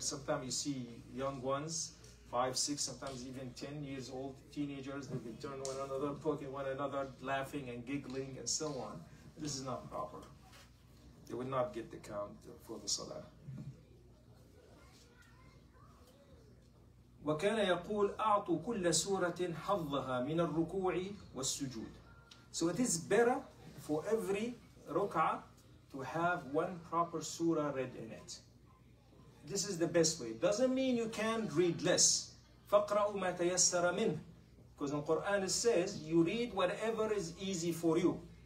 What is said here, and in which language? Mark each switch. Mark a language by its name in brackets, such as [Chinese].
[English] Sometimes you see young ones, 5, 6, sometimes even 10 years old, teenagers, they'll be turning one another, poking one another, laughing and giggling and so on. This is not proper. They will not get the count for the salah. [Arabic] وكان يقول أعطوا كل سورة حظها من الركوع والسجود. [English] So it is better for every ruk'ah to have one proper surah read in it. This is the best way. Doesn't mean you can't read less. [Arabic] فقرأوا ما تيسر منه. [English] Because in Quran it says, you read whatever is easy for you.